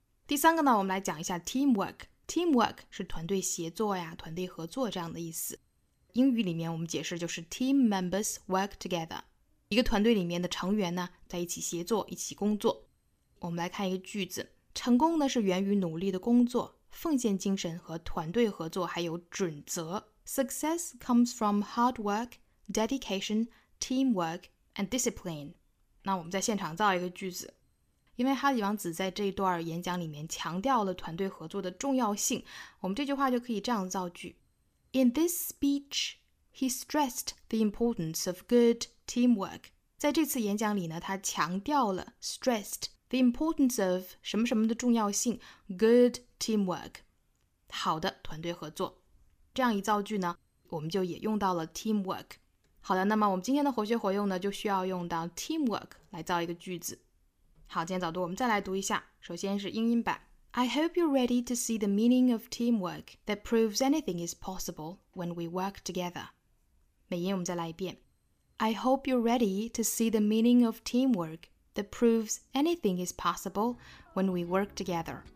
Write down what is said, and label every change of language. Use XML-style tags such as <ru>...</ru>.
<zh>第三个呢我们来讲一下 teamwork， teamwork 是团队协作呀，团队合作这样的意思。英语里面我们解释就是</zh> <en>team members work together，</en> <zh>一个团队里面的成员呢在一起协作一起工作。我们来看一个句子，成功呢是源于努力的工作、奉献精神和团队合作，还有准则。</zh> <en>Success comes from hard work, dedication, teamwork, and discipline.</en> <zh>那我们在现场造一个句子。因为哈里王子在这一段演讲里面强调了团队合作的重要性，我们这句话就可以这样造句。</zh> <en>In this speech, he stressed the importance of good teamwork.</en> <zh>在这次演讲里呢，他强调了</zh> <en>stressed the importance of</en> <zh>什么什么的重要性，</zh> <en>good teamwork，</en> <zh>好的团队合作。这样一造句呢，我们就也用到了 teamwork。好的，那么我们今天的活学活用呢，就需要用到 teamwork 来造一个句子。好，今天早读我们再来读一下，首先是英音版。</zh> <en>I hope you're ready to see the meaning of teamwork that proves anything is possible when we work together.</en> <zh>美音我们再来一遍。</zh> <en>I hope you're ready to see the meaning of teamwork that proves anything is possible when we work together.</en>